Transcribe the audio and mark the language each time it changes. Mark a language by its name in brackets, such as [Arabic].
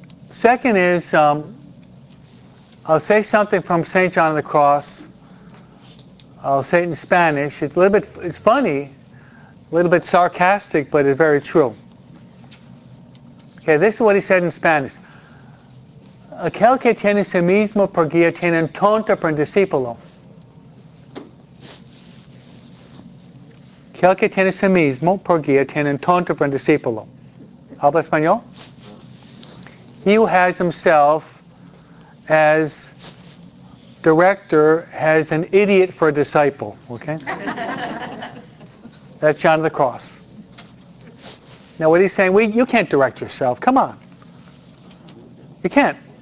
[English] Second is, I'll say something from St. John of the Cross. I'll say it in Spanish. It's a little bit, it's funny, a little bit sarcastic, but it's very true. Okay, this is what he said in Spanish. [Spanish] Aquel que tiene sí mismo por guía tiene un tonto por discípulo. Aquel que tiene sí mismo por guía tiene un tonto por discípulo. ¿Habla español? [English] He who has himself as director has an idiot for a disciple, okay? That's John of the Cross. Now what he's saying, you can't direct yourself, come on. You can't.